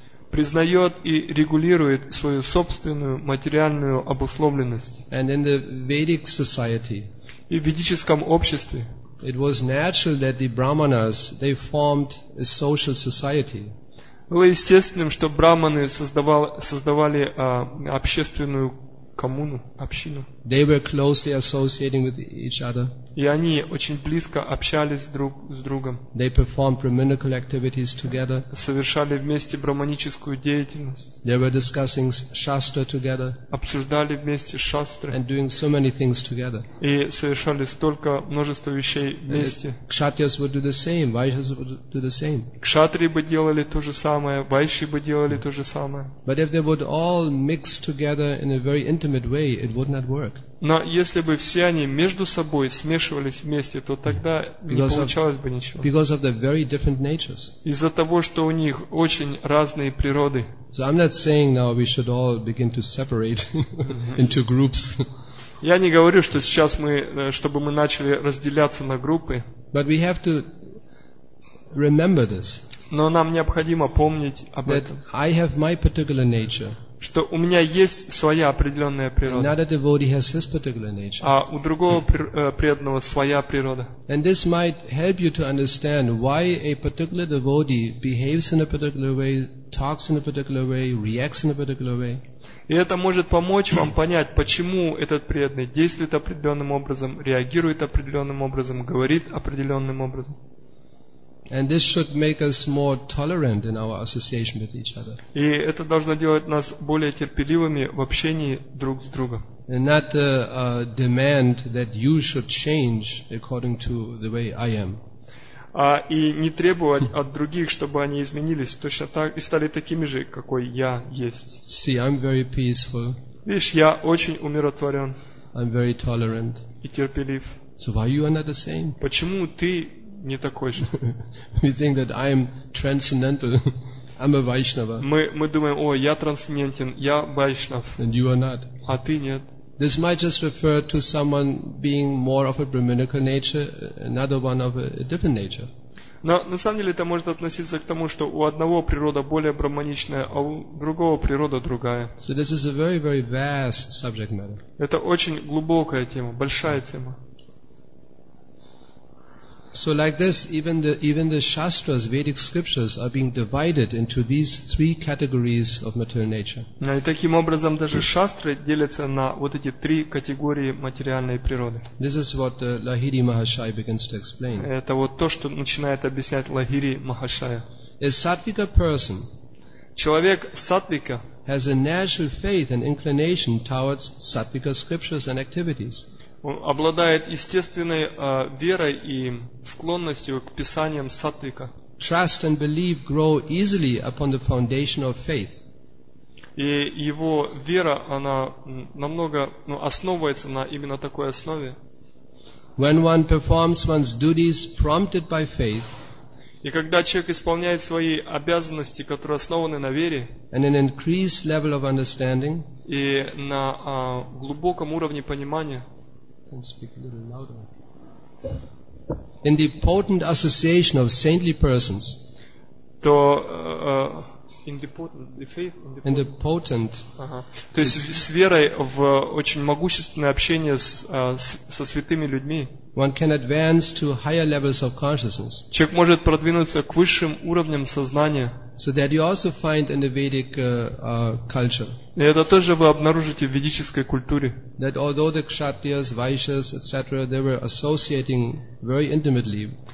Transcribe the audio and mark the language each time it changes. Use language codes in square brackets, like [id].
[ru] Признает и регулирует свою собственную материальную обусловленность. [en] And in the Vedic society, [ru] и в ведическом обществе, [en] it was natural that the brahmanas, they formed a social society. [ru] Было естественным, что брахманы создавали общественную коммуну, общину. [en] They were closely associating with each other. [ru] И они очень близко общались друг с другом. [en] They performed brahminical activities together. [ru] Совершали вместе брахманическую деятельность. [en] They were discussing shastra together. [ru] Обсуждали вместе шастры. [en] And doing so many things together. [ru] И совершали столько множество вещей вместе. [en] Кшатриас would do the same, вайшьяс would do the same. [ru] Кшатри бы делали то же самое, вайши бы делали то же самое. [en] But if they would all mix together in a very intimate way, it would not work. [ru] Но если бы все они между собой смешивались вместе, то тогда [en] because [ru] не получалось бы ничего. [en] Because of the very different natures. [ru] Из-за того, что у них очень разные природы. [en] So I'm not saying now we should all begin to separate into groups. [ru] Я не говорю, что сейчас мы, чтобы мы начали разделяться на группы. [en] But we have to remember this. [ru] Но нам необходимо помнить об [en] that [ru] этом. [en] I have my particular nature. [ru] Что у меня есть своя определенная природа. [en] Another devotee has his particular nature. [ru] А у другого преданного своя природа. [en] And this might help you to understand why a particular devotee behaves in a particular way, talks in a particular way, reacts in a particular way. [ru] И это может помочь вам понять, почему этот преданный действует определенным образом, реагирует определенным образом, говорит определенным образом. [en] And this should make us more tolerant in our association with each other. [ru] И это должно делать нас более терпеливыми в общении друг с другом. [en] And not demand that you should change according to the way I am. [ru] А и не требовать от других, чтобы они изменились точно так и стали такими же, какой я есть. [en] See, I'm very peaceful. [ru] Видишь, я очень умиротворен. [en] I'm very tolerant. [ru] И терпелив. [en] So why you are not the same? [ru] Почему ты не такой же? [en] We think that I'm transcendental. I'm a Vaishnava. [ru] Мы думаем, о, я трансцендентен, я Вайшнав. [en] And you are not. [ru] А ты нет. [en] This might just refer to someone being more of a brahminical nature, another one of a different nature. [ru] Но на самом деле это может относиться к тому, что у одного природа более брахманичная, а у другого природа другая. [en] So this is a very, very vast subject matter. [ru] Это очень глубокая тема, большая тема. [en] So like this, even the shastras, Vedic scriptures, are being divided into these three categories of material nature. [ru] И таким образом даже шастры делятся на вот эти три категории материальной природы. [en] This is what Lahiri Mahashaya begins to explain. [ru] Это вот то, что начинает объяснять Лахири Махашая. [en] A sattvika person, [ru] человек сатвика, [en] has a natural faith and inclination towards sattvika scriptures and activities. [ru] Он обладает естественной верой и склонностью к писаниям саттвика. [en] Trust and belief grow easily upon the foundation of faith. [ru] И его вера, она намного, ну, основывается на именно такой основе. [en] When one performs one's duties prompted by faith, [ru] и когда человек исполняет свои обязанности, которые основаны на вере, [en] and an increased level of understanding, [ru] и на глубоком уровне понимания, [en] and speak a little louder. In the potent association of saintly persons, [ru] то [en] in the potent, [ru] то есть с верой в очень могущественное общение со святыми людьми, [en] one can advance to higher levels of consciousness. [ru] Человек может продвинуться к высшим уровням сознания. [en] So that you also find in the Vedic culture. [ru] И это тоже вы обнаружите в ведической культуре. [en] That although the Kshatriyas, Vaishyas, etc., they were associating very intimately.